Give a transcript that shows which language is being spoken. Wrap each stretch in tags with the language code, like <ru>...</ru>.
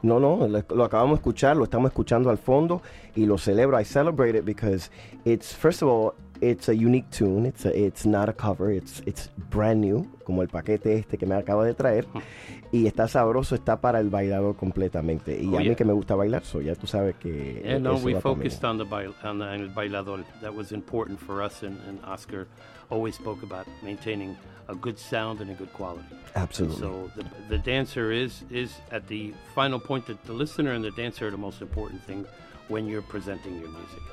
<es>No, lo acabamos de escuchar, lo estamos escuchando al fondo y lo celebro.</es> <en>I celebrate it because it's, first of all, it's a unique tune. It's not a cover, it's brand new,</en> <es>como el paquete este que me acaba de traer. Y está sabroso, está para el bailador completamente. Y a mí que me gusta bailar,</es> <en>so</en> <es>ya tú sabes que...</es> <en>No, we focused on</en> <es>el bailador.</es> <en>That was important for us, and Oscar always spoke about maintaining a good sound and a good quality. Absolutely. And so the dancer is at the final point, that the listener and the dancer are the most important thing when you're presenting your music.</en>